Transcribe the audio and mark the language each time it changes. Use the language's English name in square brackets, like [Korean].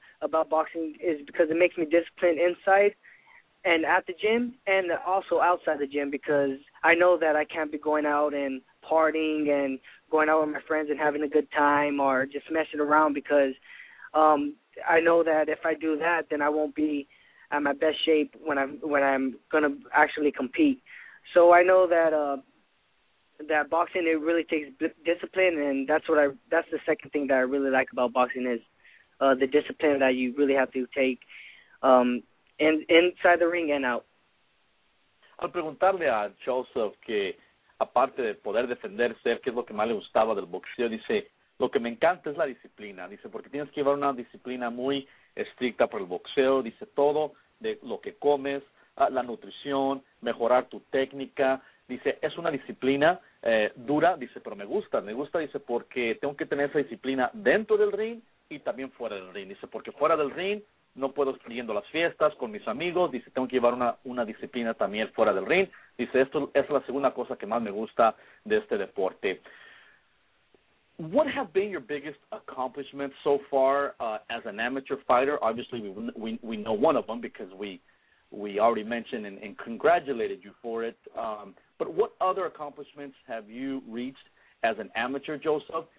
[English] about boxing is because it makes me disciplined inside and at the gym, and also outside the gym, because I know that I can't be going out and partying and going out with my friends and having a good time or just messing around, because I know that if I do that, then I won't be at my best shape when I'm going to actually compete. So I know that that boxing, it really takes discipline, and that's the second thing that I really like about boxing is the discipline that you really have to take inside the ring and out. [Spanish] Al preguntarle a Joseph que, aparte de poder defenderse, ¿qué es lo que más le gustaba del boxeo? Dice, lo que me encanta es la disciplina. Dice, porque tienes que llevar una disciplina muy estricta para el boxeo. Dice, todo de lo que comes, la nutrición, mejorar tu técnica. Dice, es una disciplina dura. Dice, pero me gusta, dice, porque tengo que tener esa disciplina dentro del ring y también fuera del ring. Dice, porque fuera del ring no puedo ir yendo a las fiestas con mis amigos. Dice, tengo que llevar una disciplina también fuera del ring. Dice, esto es la segunda cosa que más me gusta de este deporte. [English] What have been your biggest accomplishments so far as an amateur fighter? Obviously, we know one of them because we already mentioned and congratulated you for it. But what other accomplishments have you reached as an amateur, Joseph?